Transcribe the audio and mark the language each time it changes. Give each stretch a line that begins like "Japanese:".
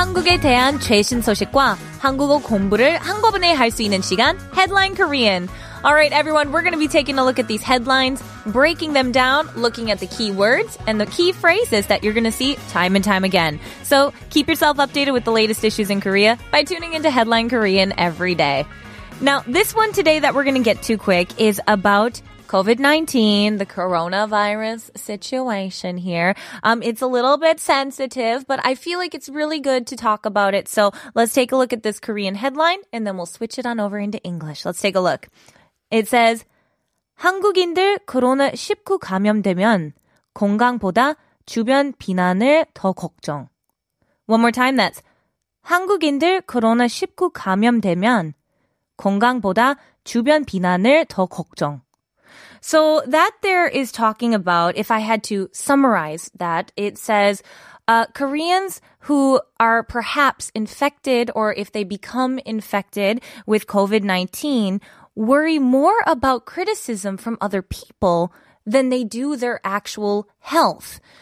Korean: Korean에 대한 최신 소식과 한국어 공부를 한꺼번에 할 수 있는 시간, Headline Korean.
English: All right, everyone, we're going to be taking a look at these headlines, breaking them down, looking at the key words and the key phrases that you're going to see time and time again. So keep yourself updated with the latest issues in Korea by tuning into Headline Korean every day. Now, this one today that we're going to get to quick is about COVID-19, the coronavirus situation here. It's a little bit sensitive, but I feel like it's really good to talk about it. So let's take a look at this Korean headline and then we'll switch it on over into English. Let's take a look. It says,
Korean: 한국인들 코로나19 감염되면 건강보다 주변 비난을 더 걱정.
English: One more time, that's
Korean: 한국인들 코로나19 감염되면 건강보다 주변 비난을 더 걱정.
English: So that there is talking about, if I had to summarize that, it says Koreans who are perhaps infected, or if they become infected with COVID-19, worry more about criticism from other people than they do their actual health.